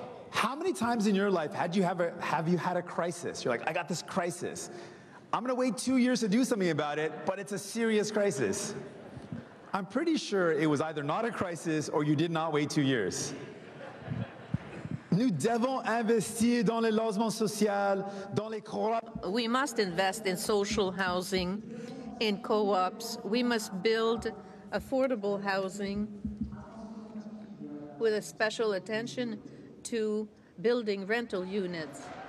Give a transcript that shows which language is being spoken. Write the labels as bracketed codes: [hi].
[en] How many times in your life have you had a crisis? You're like, I got this crisis. I'm gonna wait 2 years to do something about it, but it's a serious crisis. I'm pretty sure it was either not a crisis or you did not wait 2 years. [fr] Nous devons investir dans le logement social, dans les coops. [en] We must invest in social housing, in co-ops. We must build affordable housing with a special attention to building rental units.